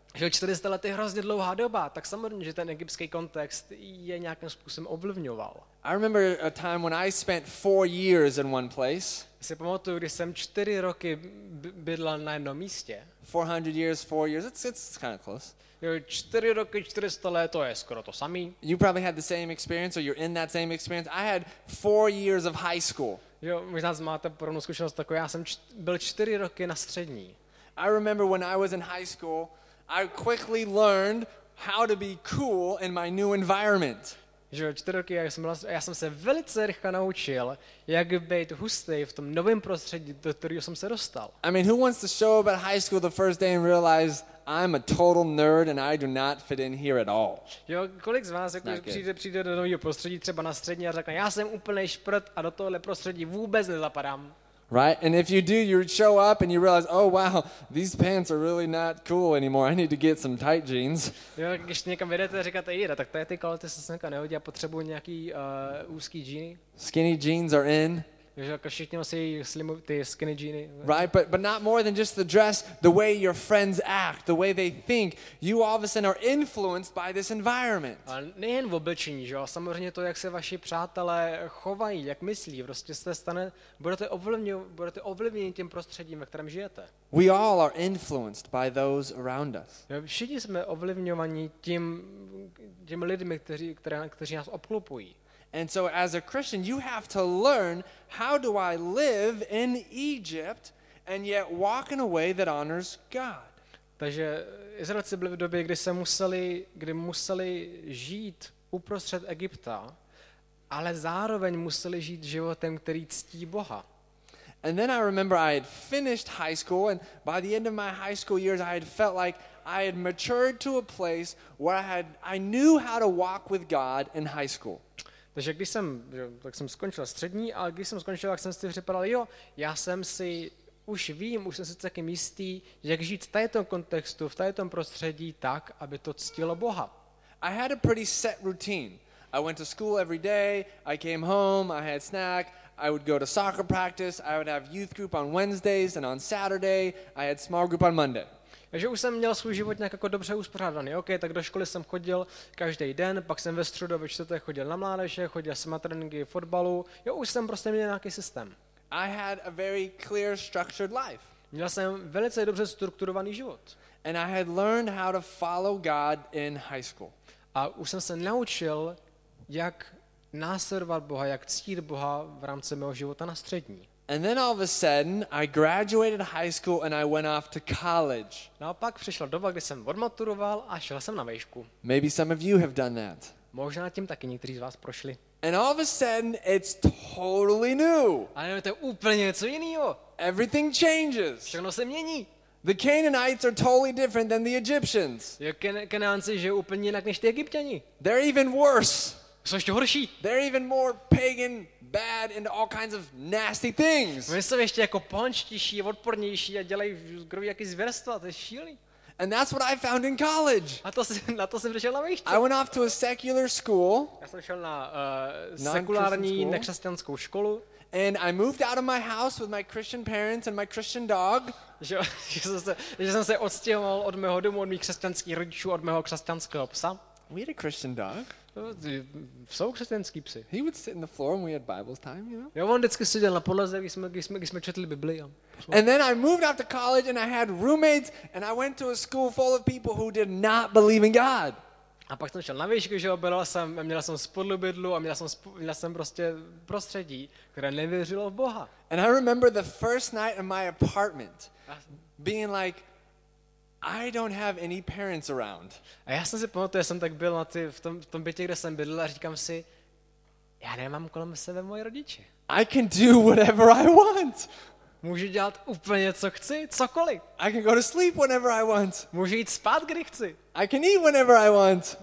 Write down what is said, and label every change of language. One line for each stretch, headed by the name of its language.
Czech: Že 400 let je hrozně dlouhá doba, tak samozřejmě, že ten egyptský kontext je nějakým způsobem ovlivňoval.
English: I remember a time when I spent 4 years in one place.
Czech: Si pamatuju, když jsem 4 roky bydlel na jednom místě.
English: 400 years, 4 years, it's kind of close.
Czech: Jo, 4 roky, 400 let, to je skoro to samý.
English: You probably had the same experience or you're in that same experience. I had 4 years of high school.
Czech: Jo, možná máte podobnou zkušenost, jako já jsem byl 4 roky na střední.
English: I remember when I was in high school, I quickly learned how to be cool in my new environment.
Czech: Jo, 4 roky, já jsem se velice rychle naučil, jak být hustý v tom novém prostředí, do kterého jsem se dostal.
English: I mean, who wants to show up at high school the first day and realize I'm a total nerd and I do not fit in here at all?
Czech: Jo, kolik z vás jako přijde do nového prostředí, třeba na střední a řekne, já jsem úplný šprt a do tohohle prostředí vůbec nezapadám.
English: Right? And if you do, you show up and you realize, oh wow, these pants are really not cool anymore. I need to get some tight jeans.
Czech: Jo, když někam jedete, říkáte, jde, tak to je ty kalhoty, se sněka nehodí a potřebuji nějaký úzký džíny.
English: Skinny jeans are in.
Czech: Jo, všichni nosí ty skinny džíny.
English: Right? But not more than just the dress, the way your friends act, the way they think. You all of a sudden are influenced by this environment.
Czech: A nejen v oblečení, jo, samozřejmě to, jak se vaši přátelé chovají, jak myslí, prostě se stane, budete ovlivněni tím prostředím, ve kterém žijete.
English: We all are influenced by those around us.
Czech: Jo, všichni jsme ovlivňovaní těmi lidmi, kteří nás obklopují.
English: And so as a Christian, you have to learn, how do I live in Egypt and yet walk in a way that honors God?
Czech: Takže Izraelci byli v době, kdy museli žít uprostřed Egypta, ale zároveň museli žít životem, který ctí Boha.
English: And then I remember I had finished high school and by the end of my high school years I had felt like I had matured to a place where I knew how to walk with God in high school.
Czech: Takže když jsem, jo, tak jsem skončil střední, a když jsem skončil, tak jsem si připadal, jo, já jsem si, už jsem si taky jistý, jak žít v této kontextu, v této prostředí tak, aby to ctilo Boha.
English: I had a pretty set routine. I went to school every day, I came home, I had snack, I would go to soccer practice, I would have youth group on Wednesdays and on Saturday, I had small group on Monday.
Czech: Takže už jsem měl svůj život nějak jako dobře uspořádaný. OK, tak do školy jsem chodil každý den, pak jsem ve středu ve čtvrtek chodil na mládeže, chodil jsem na tréninky fotbalu. Jo, už jsem prostě měl nějaký systém.
English: I had a very clear structured life.
Czech: Měl jsem velice dobře strukturovaný život.
English: And I had learned how to follow God in high school.
Czech: A už jsem se naučil, jak následovat Boha, jak ctít Boha v rámci mého života na střední.
English: And then all of a sudden, I graduated high school and I went off to college.
Czech: Naopak přišla doba, kdy jsem odmaturoval a šel jsem na vejšku.
English: Maybe some of you have done that.
Czech: Možná tím taky někteří z vás prošli.
English: And all of a sudden, it's totally new.
Czech: Ale to je úplně něco jiného.
English: Everything changes.
Czech: Všechno se mění.
English: The Canaanites are totally different than the Egyptians.
Czech: Kanánci žijí úplně jinak než ty Egypťani.
English: They're even worse.
Czech: Jsou ještě horší.
English: They're even more pagan, bad and all kinds of nasty things.
Czech: Oni jsou ještě jako pohanštější, odpornější a dělají groví jaký zvěrstva, to je šílený.
English: And that's what I found in college.
Czech: A na to jsem přišel na vejšce.
English: I went off to a secular school.
Czech: Já jsem šel na sekulární nekřesťanskou školu.
English: And I moved out of my house with my Christian parents and my Christian dog.
Czech: Že jsem se odstěhoval od mého domu, od mých křesťanských rodičů, od mého křesťanského psa.
English: We had a Christian dog.
Czech: Jsou křesťanský psi.
English: He would sit in the floor when we had Bible time, you know.
Czech: Jo, on vždycky seděl na podlaze, když jsme četli Bibli.
English: And then I moved out to college and I had roommates and I went to a school full of people who did not believe in God.
Czech: A pak jsem šel na výšku, že měl jsem spolu bydlu a měl jsem prostě prostředí, které nevěřilo v Boha.
English: And I remember the first night in my apartment being like, I don't have any parents around.
Czech: A já jsem si pamatuju, že jsem tak byl v tom bytě, kde jsem bydlel, a říkám si, já nemám kolem sebe moje rodiče.
English: I can do whatever I want.
Czech: Můžu dělat úplně co chci, cokoliv.
English: I can go to sleep whenever I want.
Czech: Můžu jít spát, kdy chci.
English: I can eat whenever I want.